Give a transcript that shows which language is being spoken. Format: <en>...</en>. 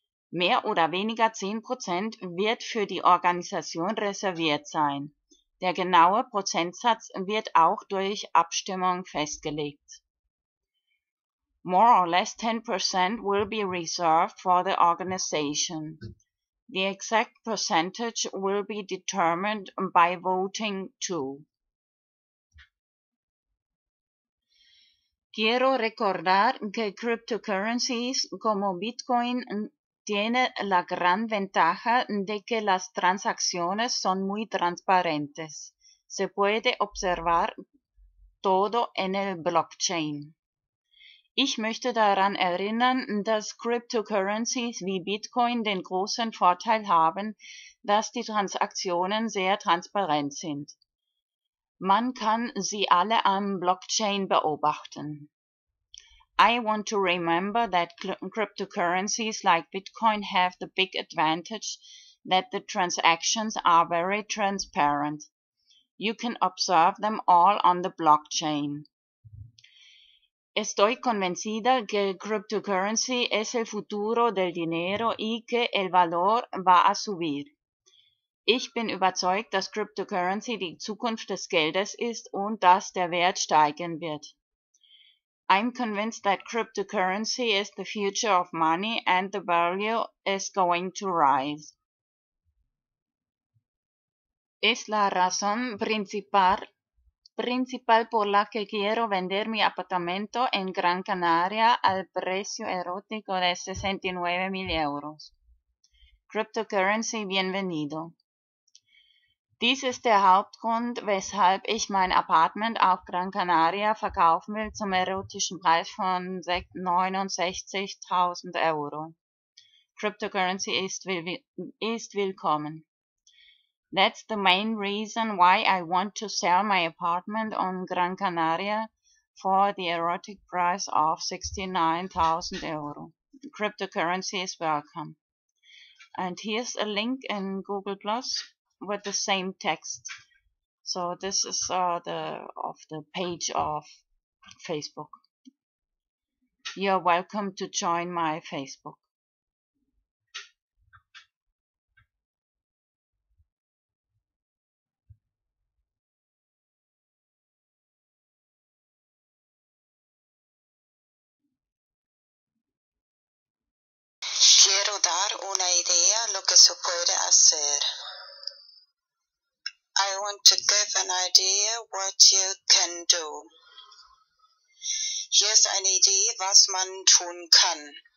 <de>Mehr oder weniger 10% wird für die Organisation reserviert sein. Der genaue Prozentsatz wird auch durch Abstimmung festgelegt.</de> <en>More or less 10% will be reserved for the organization. The exact percentage will be determined by voting too.</en> <es>Quiero recordar que cryptocurrencies como Bitcoin tienen la gran ventaja de que las transacciones son muy transparentes. Se puede observar todo en el blockchain.</es> <de>Ich möchte daran erinnern, dass Cryptocurrencies wie Bitcoin den großen Vorteil haben, dass die Transaktionen sehr transparent sind. Man kann sie alle am Blockchain beobachten.</de> <en>I want to remember that cryptocurrencies like Bitcoin have the big advantage that the transactions are very transparent. You can observe them all on the blockchain.</en> <es>Estoy convencida que cryptocurrency es el futuro del dinero y que el valor va a subir.</es> <de>Ich bin überzeugt, dass cryptocurrency die Zukunft des Geldes ist und dass der Wert steigen wird.</de> <en>I'm convinced that cryptocurrency is the future of money and the value is going to rise.</en> <es>Es la razón principal por la que quiero vender mi apartamento en Gran Canaria al precio erótico de 69.000 euros. Cryptocurrency, bienvenido.</es> <de>Dies ist der Hauptgrund, weshalb ich mein Apartment auf Gran Canaria verkaufen will zum erotischen Preis von 69.000 Euro. Cryptocurrency ist willkommen.</de> <en>That's the main reason why I want to sell my apartment on Gran Canaria for the erotic price of 69.000 Euro. Cryptocurrency is welcome. And here's a link in Google Plus with the same text. So this is the page of Facebook. You're welcome to join my Facebook.</en> <es>Quiero dar una idea lo que se puede hacer.</es> <en>I want to give an idea what you can do.</en> <de>Hier ist eine Idee, was man tun kann.</de>